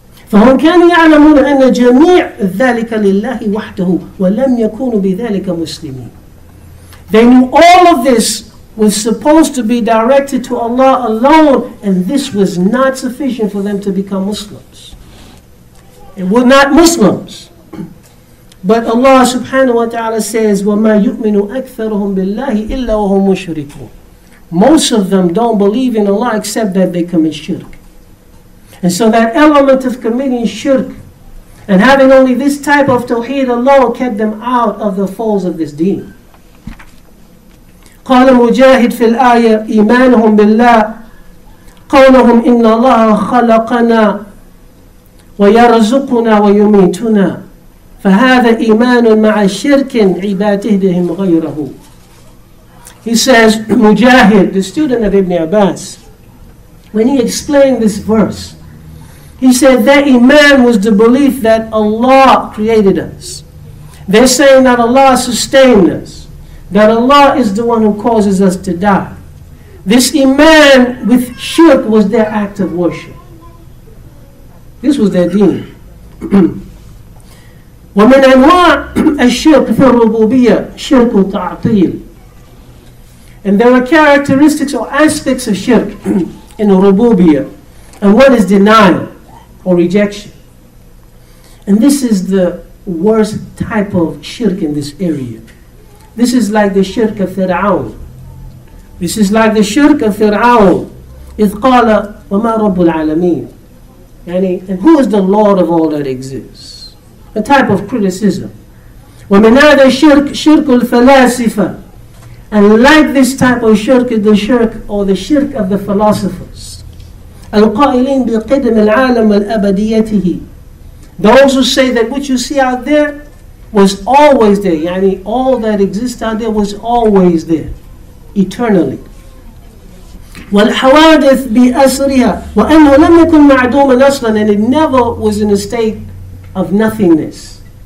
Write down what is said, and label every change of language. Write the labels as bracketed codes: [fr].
[ar] فَهُمْ كَانِ يَعْلَمُونَ أَنَّ جَمِيعَ ذَلِكَ لِلَّهِ وَحْدَهُ وَلَمْ يَكُونُ بِذَلِكَ مُسْلِمِينَ. [en] They knew all of this was supposed to be directed to Allah alone, and this was not sufficient for them to become Muslims. They were not Muslims. But Allah subhanahu wa ta'ala says, [ar] وَمَا يُؤْمِنُ أَكْثَرُهُمْ بِاللَّهِ إِلَّا وَهُمْ مُشْرِكُونَ. [en] Most of them don't believe in Allah except that they commit shirk. And so that element of committing shirk and having only this type of tawheed alone kept them out of the folds of this deen. [ar] قال مجاهد في الآية إيمانهم بالله قولهم إن الله خلقنا ويرزقنا ويميتنا فهذا إيمان مع شرك عباده بهم غيره. [en] He says, Mujahid, the student of Ibn Abbas, when he explained this verse, he said that iman was the belief that Allah created us. They're saying that Allah sustained us, that Allah is the one who causes us to die. This iman with shirk was their act of worship. This was their deen. [ar] وَمِنْ أَنْوَاعِ الشِّرْكِ فِي الرُّبُوبِيَّةِ شِرْكُ تَعْطِيلِ. [en] And there are characteristics or aspects of shirk in rububiyyah. And one is denial or rejection. And this is the worst type of shirk in this area. This is like the shirk of Fir'aun. This is like the shirk of Fir'aun. [ar] إِذْ قَالَ وَمَا رَبُّ الْعَالَمِينَ. [en] And who is the Lord of all that exists? A type of criticism. [ar] وَمِنْ هَذَا الشِّرْكِ شِرْكُ الْفَلَاسِفَةِ. [en] And like this type of shirk is the shirk or the shirk of the philosophers. [ar] القائلين بقدم العالم والأبديته. [en] Those who say that what you see out there was always there. Yani all that exists out there was always there. Eternally. [ar] والحوادث بأسرها. وأنه لم يكن معدوما أصلا. [en] And it never was in a state of nothingness.